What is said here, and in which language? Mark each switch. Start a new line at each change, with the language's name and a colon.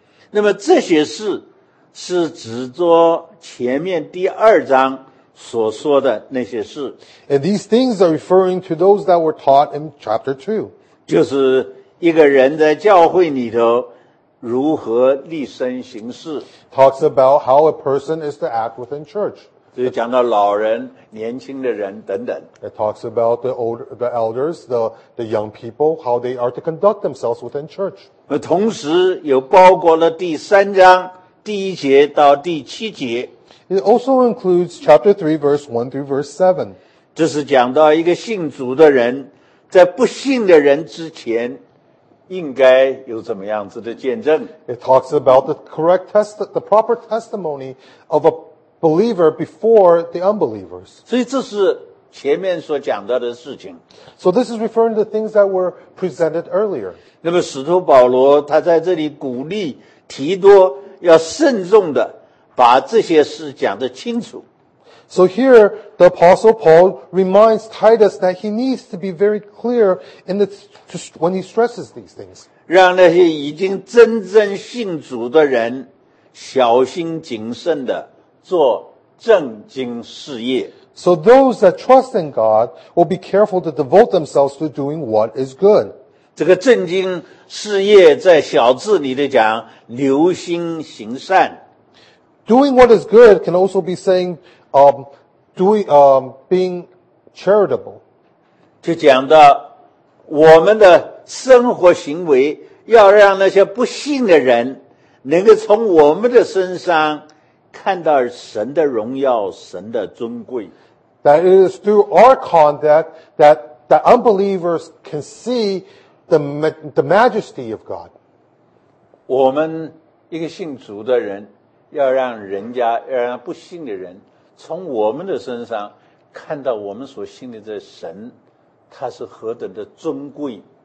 Chinese: 那么这些事是指着前面第二章所说的那些事。
English: And these things are referring to those that were taught in chapter 2.
Chinese: 就是一个人在教会里头如何立身行事。
English: Talks about how a person is to act within church.
Chinese: 就是讲到老人、年轻的人等等。
English: It talks about the elders, the young people, how they are to conduct themselves within church.
Chinese: 同时又包括了第三章第一节到第七节。
English: It also includes chapter 3, verse 1 through verse 7.
Chinese: 这是讲到一个信主的人在不信的人之前应该有怎么样子的见证。
English: It talks about the proper testimony of a believer before the unbelievers.
Chinese: 所以这是前面所讲到的事情。
English: So this is referring to things that were presented earlier.
Chinese: 那么使徒保罗他在这里鼓励提多要慎重的把这些事讲得清楚。
English: So here, the Apostle Paul reminds Titus that he needs to be very clear when he stresses these things.
Chinese: 让那些已经真正信主的人小心谨慎地做正经事业。
English: So those that trust in God will be careful to devote themselves to doing what is good.
Chinese: 这个正经事业在小字里的讲留心行善。
English: Doing what is good can also be saying, being charitable.
Chinese: 就讲到我们的生活行为要让那些不信的人能够从我们的身上看到神的荣耀、神的尊贵。
English: That it is through our conduct that the unbelievers can see the majesty of God.
Chinese: 我们一个信主的人要让人家，要让不信的人从我们的身上看到我们所信的这神，他是何等的尊贵。